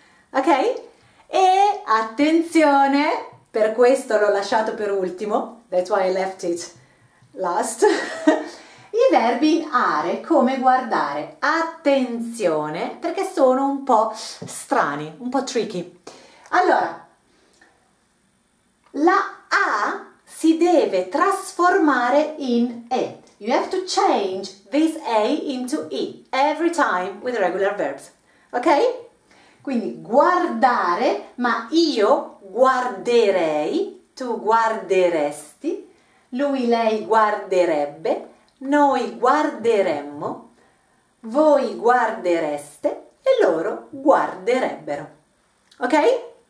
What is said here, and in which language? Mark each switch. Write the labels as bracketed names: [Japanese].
[Italian] Ok? E attenzione, per questo l'ho lasciato per ultimo, [English] that's why I left it last, [Italian] i verbi in are, come guardare. Attenzione, perché sono un po' strani, un po' tricky. Allora, la A si deve trasformare in E. [English] You have to change this A into E every time with regular verbs. Ok? [Italian] Quindi guardare, ma io guarderei, tu guarderesti, lui, lei guarderebbe, noi guarderemmo, voi guardereste e loro guarderebbero. Ok?